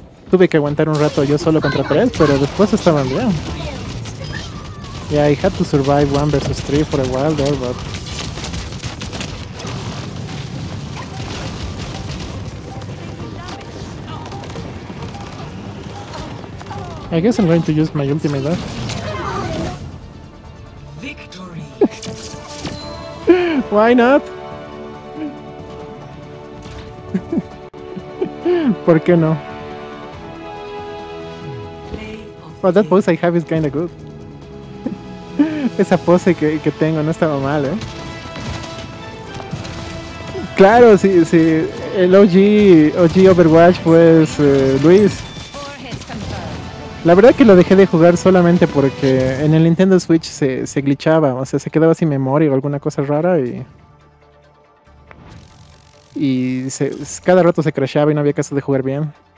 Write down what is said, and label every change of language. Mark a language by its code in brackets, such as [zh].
[es] Tuve que aguantar un rato yo solo contra tres, pero después estaban bien. [en] Yeah, I had to survive 1 versus 3 for a while there, but... I guess I'm going to use my ultimate there. Victory. Why not? [es] ¿Por qué no? [en] Well, that pose I have is kinda good. [es] Esa pose que tengo no estaba mal, ¿eh? Claro, si el OG Overwatch pues Luis. La verdad que lo dejé de jugar solamente porque en el Nintendo Switch se glitchaba, o sea, se quedaba sin memoria o alguna cosa rara y cada rato se crashaba y no había caso de jugar bien.